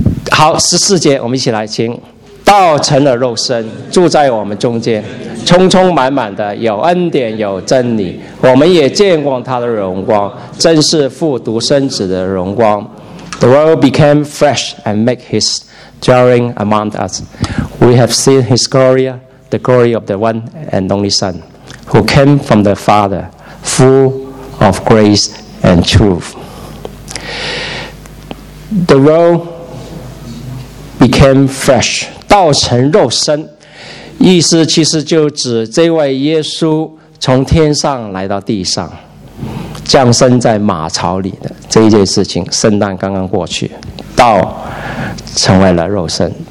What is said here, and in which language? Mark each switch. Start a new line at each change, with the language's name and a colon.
Chinese: 好，十四节我们一起来，请。道成了肉身，住在我们中间，充充满满的有恩典有真理，我们也见过他的荣光，正是父独生子的荣光。
English: The world became flesh and make his dwelling among us. We have seen his glory, the glory of the one and only Son, who came from the Father, full of grace and truth. The world became flesh,
Chinese: 道成肉身，意思其实就指这位耶稣从天上来到地上，降生在马槽里的这一件事情。圣诞刚刚过去，道成为了肉身。